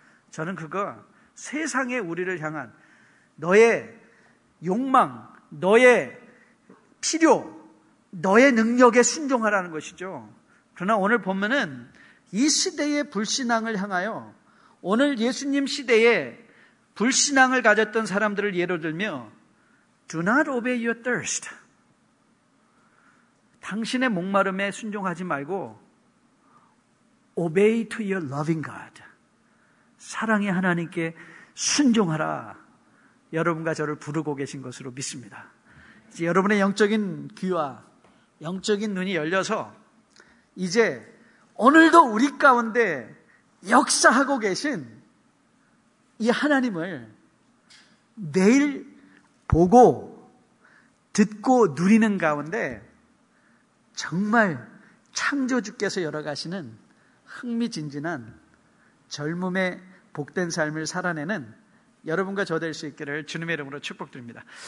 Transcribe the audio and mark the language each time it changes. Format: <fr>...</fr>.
<ko>저는 그거 세상에 우리를 향한 너의 욕망, 너의 필요, 너의 능력에 순종하라는 것이죠. 그러나 오늘 보면은 이 시대의 불신앙을 향하여, 오늘 예수님 시대에 불신앙을 가졌던 사람들을 예로 들며</ko> <en>Do not obey your thirst.</en> <ko>당신의 목마름에 순종하지 말고</ko> <en>Obey to your loving God.</en> <ko>사랑의 하나님께 순종하라. 여러분과 저를 부르고 계신 것으로 믿습니다. 이제 여러분의 영적인 귀와 영적인 눈이 열려서 이제 오늘도 우리 가운데 역사하고 계신 이 하나님을 매일 보고 듣고 누리는 가운데 정말 창조주께서 열어가시는 흥미진진한 젊음의 복된 삶을 살아내는 여러분과 저 될 수 있기를 주님의 이름으로 축복드립니다.</ko>